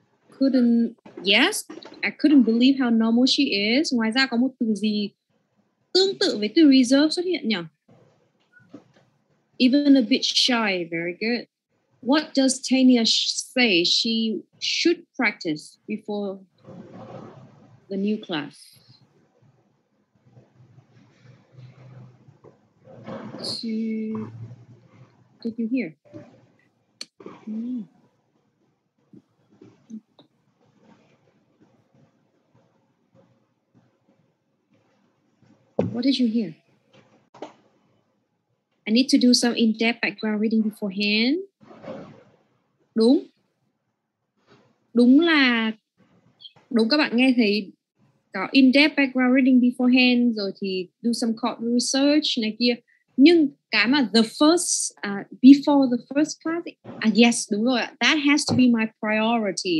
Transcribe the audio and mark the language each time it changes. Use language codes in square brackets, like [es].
[en] Couldn't, yes, I couldn't believe how normal she is. [vi] Ngoài ra có một từ gì tương tự với từ reserved xuất hiện nhỉ? [en] Even a bit shy, very good. What does Tania say she should practice before the new class? To, did you hear? What did you hear? I need to do some in-depth background reading beforehand. [vi] Đúng. Đúng là đúng, các bạn nghe thấy có [en] in-depth background reading beforehand [vi] rồi thì [en] do some court research [vi] này kia. Nhưng cái mà [en] the first, before the first class, yes, [vi] đúng rồi, [en] that has to be my priority.